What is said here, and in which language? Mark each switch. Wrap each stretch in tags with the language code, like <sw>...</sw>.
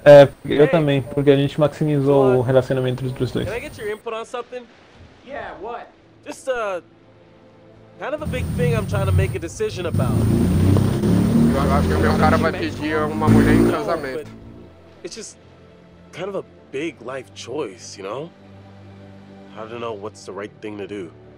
<pt>É, eu também, porque a gente maximizou o relacionamento entre os dois.</pt> <en>Can I get your input on something? Yeah, what? Just kind of a big thing I'm trying to make a decision about.</en> <pt>Eu acho que o meu cara vai pedir uma mulher em casamento.</pt> <en>It's just kind of a big life choice, you know? I don't know what's the right thing to do.</en>